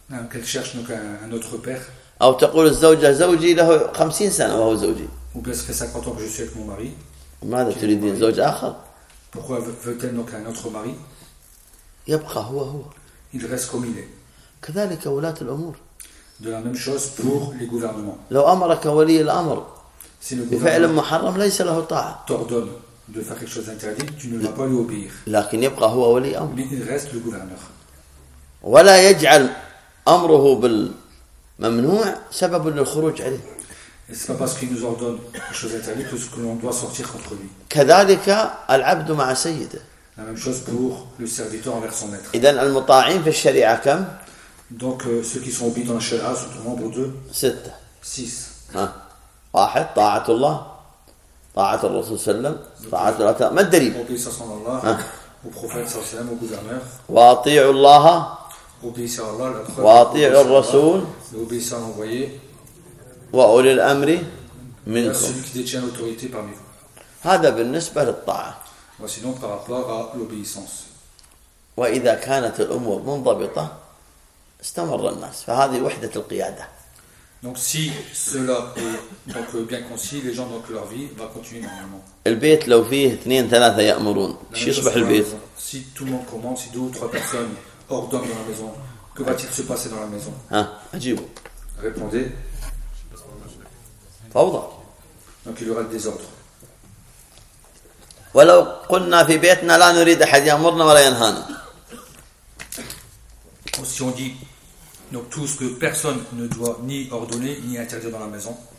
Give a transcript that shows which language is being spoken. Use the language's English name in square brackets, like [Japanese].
[French] Qu'elle cherche donc un autre père. [Arabic] أو تقول الزوجة زوجي له 50 سنة وهو زوجي. [French] Ou bien ça fait 50 ans que je suis avec mon mari. [Arabic] ماذا تريد من زوج آخر؟ [French] Pourquoi veut-elle donc un autre mari؟ [Arabic] يبقى هو. [French] Il reste comme il est. [Arabic] كذلك ولاة الأمور. [French] De la même chose pour les gouvernements. [Arabic] لو أمرك ولي الأمر. [French] Si le gouvernement. [Arabic] بفعل محرم ليس له طاعة. [French] T'ordonne de faire quelque chose interdit, tu ne vas pas lui obéir. [Arabic] لكن يبقى هو ولي أمر. [French] Mais il reste le gouverneur. [Arabic] ولا يجعل أمره بالممنوع سبب للخروج عليه. [French] Et c'est pas parce qu'il nous ordonne quelque chose d'interdit que l'on doit sortir contre lui. [Arabic] كذلك العبد مع سيده. [French] La même chose pour le serviteur envers son maître. [Arabic] إذن المطاعين في الشريعة كم؟ [French] Donc ceux qui sont obéis dans la sharia sont au nombre de 6. 6. [Arabic] واحد طاعة الله طاعة الرسول صلى الله عليه وسلم طاعة ما الدليل؟ [French] Obéissance à Allah, au prophète [Arabic] صلى الله عليه وسلم, [French] au gouverneur. [Arabic] واطيع الله. [French] Obéissance à Allah. [Arabic] واطيع الرسول. [French] Obéissance à l'envoyé. [Arabic] وأولي الأمر منكم. [French] Celui qui détient l'autorité parmi vous. [Arabic] هذا بالنسبة للطاعة. [French] Voici donc par rapport à l'obéissance. [Arabic] وإذا كانت الأمور منضبطة استمر الناس. فهذه وحدة القيادة. [French] Donc si cela est donc bien concis, les gens donc leur vie va continuer normalement. [Arabic] البيت لو فيه اثنين ثلاثة يأمرون. شو يصبح البيت؟ [French] Si tout le monde commence, si deux ou trois personnes ordonnent dans la maison, que va-t-il se passer dans la maison؟ [Arabic] ها أجيبوا. [French] Répondez. [Arabic] فوضى. [French] Donc il y aura le désordre. [Arabic] ولو قلنا في بيتنا لا نريد أحد يأمرنا ولا ينهانا. [French] Ou si on dit donc tout ce que personne ne doit ni ordonner ni interdire dans la maison.